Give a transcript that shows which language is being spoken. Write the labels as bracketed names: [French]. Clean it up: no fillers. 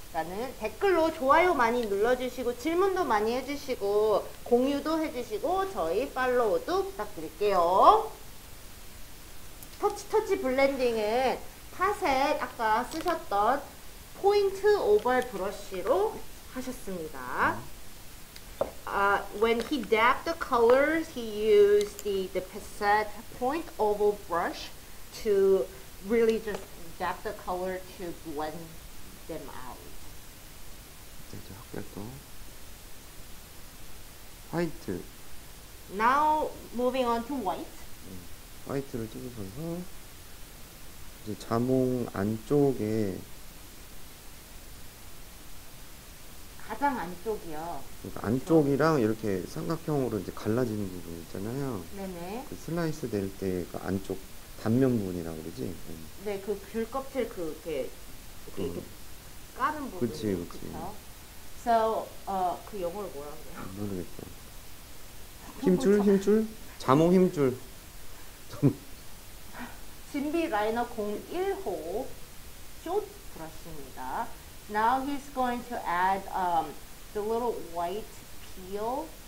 [Korean] 라는 댓글로 좋아요 많이 눌러주시고 질문도 많이 해주시고 공유도 해주시고 저희 팔로우도 부탁드릴게요. 터치터치 블렌딩은 파셋 아까 쓰셨던 포인트 오벌 브러쉬로 하셨습니다. [English] When he dabbed the colors, he used the Passat point oval brush to really just dab the color to blend them out. [Korean] 네, 저 학교 또 화이트. [English] Now moving on to white. 네, [Korean] 화이트를 찍으셔서 이제 자몽 안쪽에 가장 안쪽이요. 그러니까 안쪽이랑 이렇게 삼각형으로 이제 갈라지는 부분 있잖아요. 네네. 그 슬라이스 될 때 그 안쪽 단면 부분이라고 그러지. 네, 그 귤 껍질 그 이렇게 까는 부분. 그치, 그치. So, 그 영어를 뭐라고 해요? 모르겠어. 힘줄, 힘줄? 자몽 힘줄. 진비 라이너 01호 숏 브러쉬입니다. [English] Now he's going to add the little white peel.